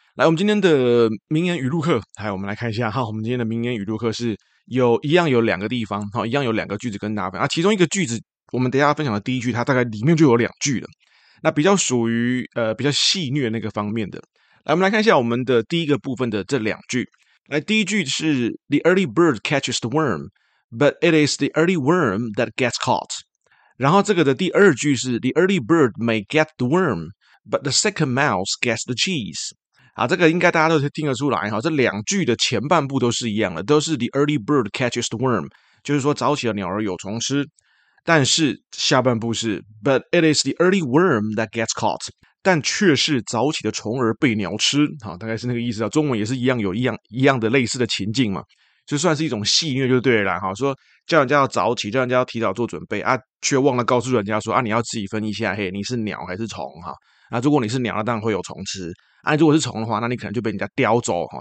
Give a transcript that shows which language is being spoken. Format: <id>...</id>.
<zh>来，我们今天的名言语录课，来，我们来看一下哈，我们今天的名言语录课是有一样有两个地方，一样有两个句子跟大家分享。其中一个句子，我们等一下分享的第一句，它大概里面就有两句了。那比较属于比较戏谑那个方面的。来，我们来看一下我们的第一个部分的这两句。来，第一句是</zh> <en>The early bird catches the worm, but it is the early worm that gets caught。</en> <zh>然后这个的第二句是</zh> <en>The early bird may get the worm, but the second mouse gets the cheese。</en> <zh>好，这个应该大家都听得出来哈，这两句的前半部都是一样的，都是</zh> <en>The early bird catches the worm，</en> <zh>就是说早起的鸟儿有虫吃。但是下半部是</zh> <en>But it is the early worm that gets caught，</en> <zh>但却是早起的虫儿被鸟吃。好，大概是那个意思啊。中文也是一样，有一样的类似的情境嘛，就算是一种戏谑就对了哈。说叫人家要早起，叫人家要提早做准备啊，却忘了告诉人家说啊，你要自己分一下，嘿，你是鸟还是虫哈？啊，如果你是鸟，那当然会有虫吃啊；如果是虫的话，那你可能就被人家叼走哈。</zh>